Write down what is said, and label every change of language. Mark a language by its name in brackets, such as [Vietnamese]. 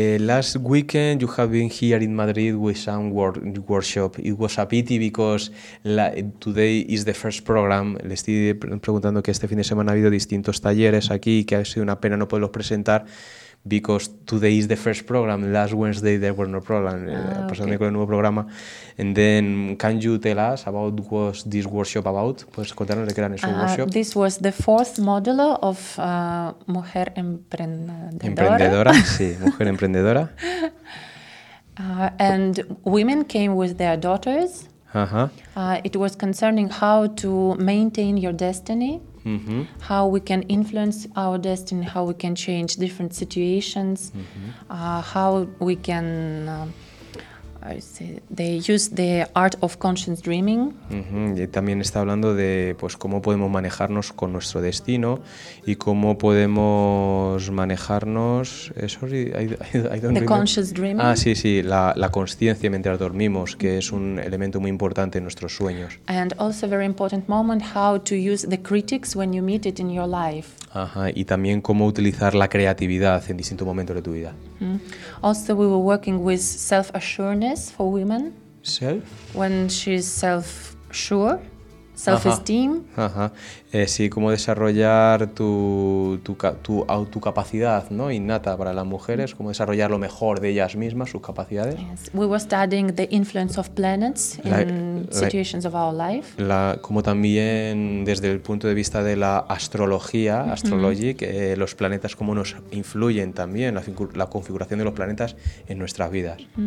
[English] Last weekend you have been here in Madrid with some workshop. It was a pity because today is the first program. [Spanish] Le estoy preguntando que este fin de semana ha habido distintos talleres aquí y que ha sido una pena no poderlos presentar. [English] Because today is the first program. Last Wednesday there were no program. [Spanish] Pasando con el nuevo programa. [English] And then can you tell us about what this workshop about? [Spanish] Puedes contarnos de qué era ese workshop. [English] This was the fourth module of Mujer Emprendedora. [Spanish] Emprendedora, sí, Mujer Emprendedora. [English] And women came with their daughters. It was concerning how to maintain your destiny. Mm-hmm. How we can influence our destiny, how we can change different situations, how we can, they use the art of conscious dreaming. [Spanish] Y también está hablando de pues, cómo podemos manejarnos con nuestro destino y cómo podemos manejarnos... [English] The conscious dreaming. [Spanish] Ah, sí, sí, la consciencia mientras dormimos, que es un elemento muy importante en nuestros sueños. [English] And also very important moment, how to use the critics when you meet it in your life. [Spanish] Ajá, y también cómo utilizar la creatividad en distintos momentos de tu vida. [English] Also, we were working with self-assuredness for women. Self? When she's self-sure, self-esteem. [Spanish] Ajá. Sí, cómo desarrollar tu capacidad, ¿no? Innata para las mujeres, cómo desarrollar lo mejor de ellas mismas, sus capacidades. [English] Yes. We were studying the influence of planets in situations of our life. [Spanish] Como también desde el punto de vista de la astrología, astrologic, los planetas cómo nos influyen también la configuración de los planetas en nuestras vidas.